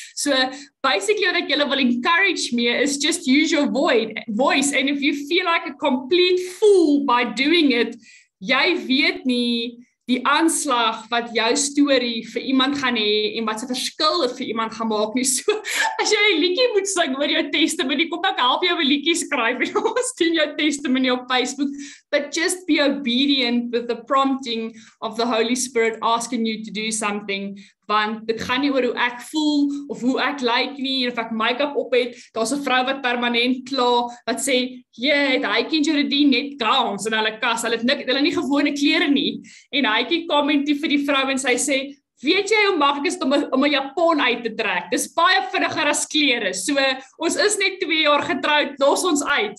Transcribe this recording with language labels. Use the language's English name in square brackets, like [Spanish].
[English] So basically what you will encourage me is just use your voice. And if you feel like a complete fool by doing it, [Afrikaans] jy weet nie die aanslag wat jou story vir iemand gaan hê en wat se verskil vir iemand gaan maak nie. So as jy 'n liedjie moet sing oor jou testimony, kom ek help jou 'n liedjie skryf en ons doen jou testimony op Facebook. [English] But just be obedient with the prompting of the Holy Spirit asking you to do something. [Afrikaans] Want dit gaan nie oor hoe ek voel of hoe ek lyk nie, of ek make-up op het. Daar's 'n vrou wat permanent kla, wat sê, het Heike en Jeredien net gowns in hulle kas. Hulle nie gewone klere nie. En Heike kommentie vir die vrou en sy sê, weet jy hoe maklik is om 'n japon uit te trek? Dis baie vinniger as klere. So, ons is net 2 jaar getroud, los ons uit.